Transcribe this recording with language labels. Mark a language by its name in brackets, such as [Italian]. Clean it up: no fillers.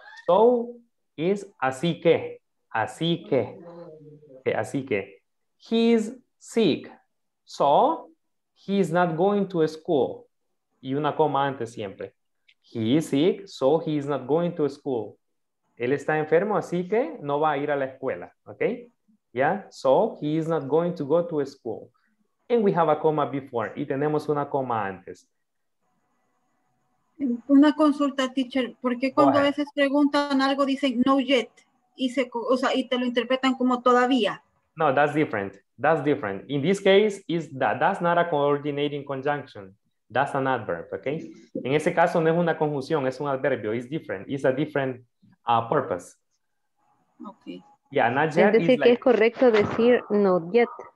[English] So is [Spanish] así que. Así que. Okay, así que. [English] He's sick. So he's not going to school. [Spanish] Y una coma antes siempre. [English] He is sick, so he is not going to school. [Spanish] Él está enfermo, así que no va a ir a la escuela, okay? [English] Yeah, so he is not going to go to a school. And we have a comma before, [Spanish] y tenemos una coma antes. Una consulta, teacher, porque cuando a veces preguntan algo, dicen no yet, y, se, o sea, y te lo interpretan como todavía. [English] No, that's different, that's different. In this case, is that that's not a coordinating conjunction. That's an adverb, okay? [Spanish] En ese caso no es una conjunción, es un adverbio, [English] it's different, it's a different purpose. Okay. Yeah, not yet. [Spanish] Es decir, [English] like, [Spanish] que es correcto decir not yet.